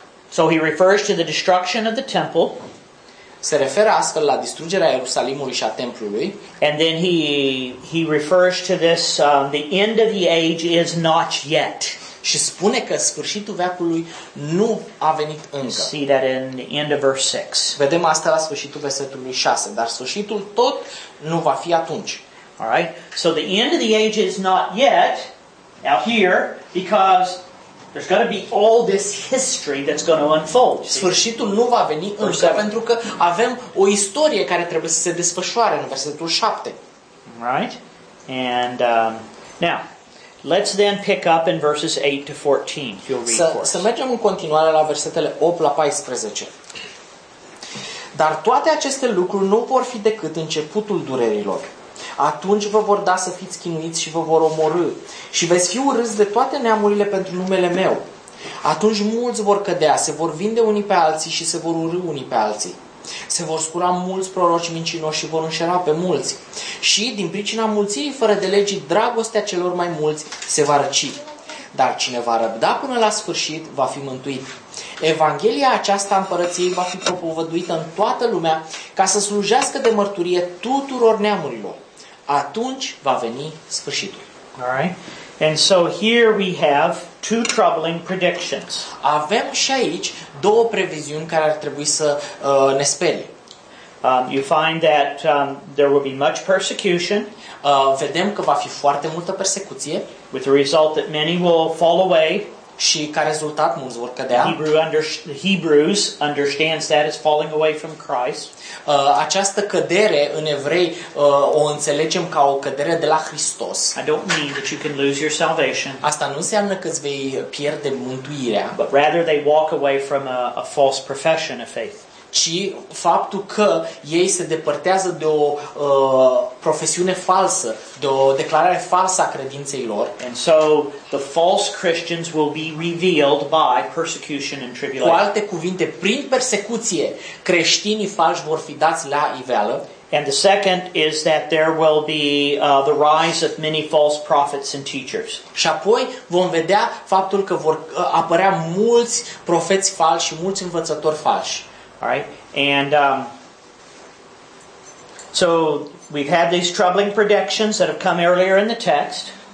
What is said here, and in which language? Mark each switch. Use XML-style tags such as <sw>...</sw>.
<en>So he refers to the destruction of the temple.</en> <ro>Se referă astfel la distrugerea Ierusalimului și a templului.</ro> <en>And then he refers to this the end of the age is not yet.</en> <ro>Și spune că sfârșitul veacului nu a venit încă.</ro> <en>See that in the end of verse 6.</en> <ro>Vedem asta la sfârșitul versetului 6, dar sfârșitul tot nu va fi atunci.</ro> <en>All right? So the end of the age is not yet out here because there's going to be all this history that's going to unfold.</en> <ro>Sfârșitul nu va veni încă pentru că avem o istorie care trebuie să se desfășoare în versetul 7.</ro> <en>All right? And now let's then pick up in verses 8 to 14. Să mergem în continuare la versetele 8 la 14.</en> <ro>Dar toate aceste lucruri nu vor fi decât începutul durerilor. Atunci vă vor da să fiți chinuiți și vă vor omorâ. Și veți fi urâți de toate neamurile pentru numele meu. Atunci mulți vor cădea, se vor vinde unii pe alții și se vor urâ unii pe alții. Se vor scura mulți proroci mincinoși și vor înșela pe mulți. Și, din pricina mulțimii fără de legi, dragostea celor mai mulți se va răci. Dar cine va răbda până la sfârșit, va fi mântuit. Evanghelia aceasta a împărăției va fi propovăduită în toată lumea ca să slujească de mărturie tuturor neamurilor. Atunci va veni sfârșitul.</ro> <en>All right. And so here we have two troubling predictions.</en> <ro>Avem și aici două previziuni care ar trebui să ne sperie.</ro> <en>You find that there will be much persecution.</en> <ro>Vedem că va fi foarte multă persecuție.</ro> <en>With the result that many will fall away.</en> <ro>Și ca rezultat mulți vor cădea.</ro> <en>Hebrews understands that as falling away from Christ.</en> <ro>Această cădere în evrei o înțelegem ca o cădere de la Hristos.</ro> <en>I don't mean that you can lose your salvation.</en> <ro>Asta nu înseamnă că îți vei pierde mântuirea.</ro> <en>But rather they walk away from a false profession of faith.</en> <ro>Ci faptul că ei se depărtează de o profesiune falsă, de o declarare falsă a credinței lor.</ro> <en>And so the false Christians will be revealed by persecution and tribulation.</en> <ro>Cu alte cuvinte, prin persecuție, creștinii falși vor fi dați la iveală.</ro> <en>And the second is that there will be the rise of many false prophets and teachers.</en> <ro>Și apoi vom vedea faptul că vor apărea mulți profeți falși și mulți învățători falși.</ro> <en>All right, and so we've had these troubling predictions that have come earlier in the text.</en>